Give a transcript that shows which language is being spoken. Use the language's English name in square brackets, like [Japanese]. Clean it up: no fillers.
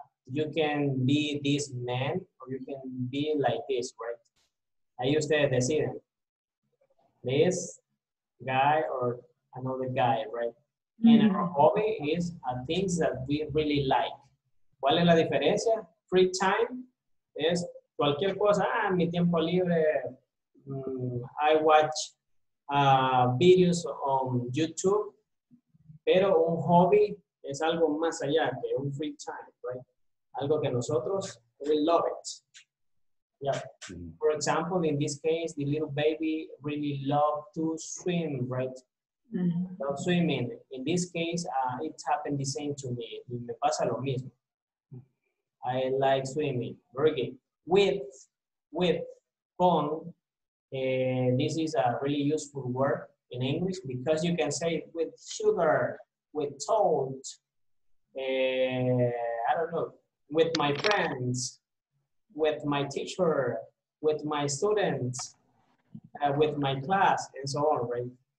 [English] You can be this man or you can be like this, right? [Spanish] Ahí ustedes deciden. [English] This guy or another guy, right? Mm-hmm. And our hobby is things that we really like. [Spanish] ¿Cuál es la diferencia? Free time. Es cualquier cosa, mi tiempo libre, [English] I watch videos on YouTube, [Spanish] pero un hobby es algo más allá que un free time, right? Algo que nosotros, [English] we love it. Yeah. For example, in this case, the little baby really loved to swim, right? Mm-hmm. Love swimming. In this case, it happened the same to me. [Spanish] Me pasa lo mismo. [English] I like swimming. Very good. With, con, this is a really useful word in English because you can say with sugar, with salt, I don't know, with my friends, with my teacher, with my students, with my class, and so on, right?